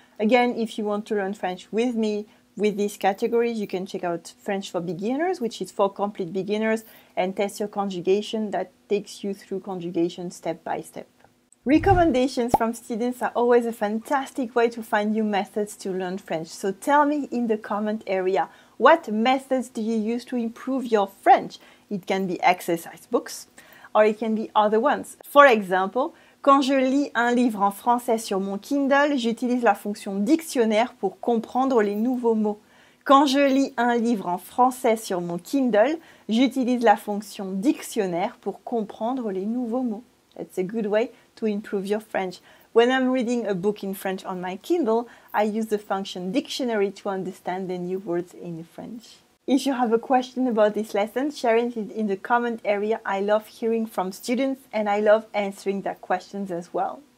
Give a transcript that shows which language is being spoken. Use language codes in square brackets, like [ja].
[en] Again, if you want to learn French with me with these categories, you can check out French for Beginners, which is for complete beginners, and Test Your Conjugation that takes you through conjugation step by step. Recommendations from students are always a fantastic way to find new methods to learn French. So tell me in the comment area, what methods do you use to improve your French? It can be exercise books, or it can be other ones. For example, [fr] quand je lis un livre en français sur mon Kindle, j'utilise la fonction dictionnaire pour comprendre les nouveaux mots. Quand je lis un livre en français sur mon Kindle, j'utilise la fonction dictionnaire pour comprendre les nouveaux mots. [en] That's a good way to improve your French. When I'm reading a book in French on my Kindle, I use the function dictionary to understand the new words in French. If you have a question about this lesson, share it in the comment area. I love hearing from students and I love answering their questions as well.